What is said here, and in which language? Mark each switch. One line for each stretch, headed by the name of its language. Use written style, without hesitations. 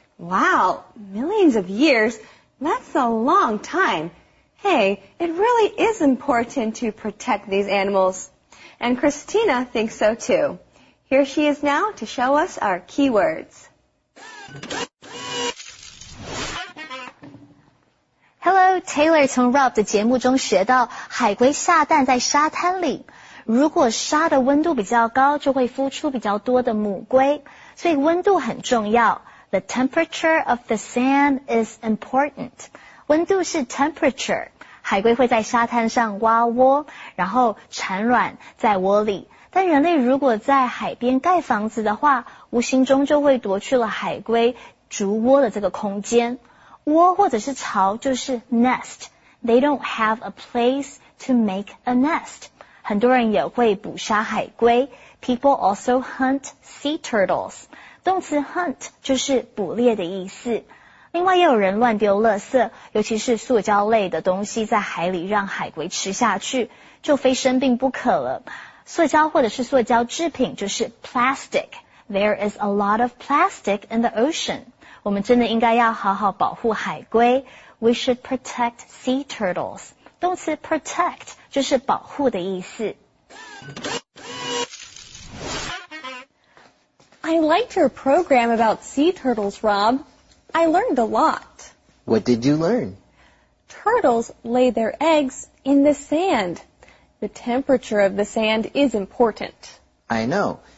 English: Wow, millions of years? That's a long time. Hey, it really is important to protect these animals. And Christina thinks so too. Here she is now to show us our keywords.
Chinese: Hello, Taylor 从 Rob 的节目中学到海龟下蛋在沙滩里。如果沙的温度比较高就会孵出比较多的母龟。所以温度很重要。
English: The temperature of the sand is important.
Chinese: 温度是 temperature。海龟会在沙滩上挖窝然后产卵在窝里。但人类如果在海边盖房子的话无形中就会夺去了海龟筑窝的这个空间。窝或者是巢就是 nest.
English: They don't have a place to make a nest.
Chinese: 很多人也会捕杀海龟。
English: People also hunt sea turtles.
Chinese: 动词 hunt 就是捕猎的意思。另外也有人乱丢垃圾尤其是塑胶类的东西在海里让海龟吃下去就非生病不可了。塑胶或者是塑胶制品就是 plastic.
English: There is a lot of plastic in the ocean.
Chinese: 我们真的应该要好好保护海龟。
English: We should protect sea turtles.
Chinese: 动词 protect 就是保护的意思。
English: I liked your program about sea turtles, Rob. I learned a lot. What did you learn? Turtles lay their eggs in the sand. The temperature of the sand is important. I know.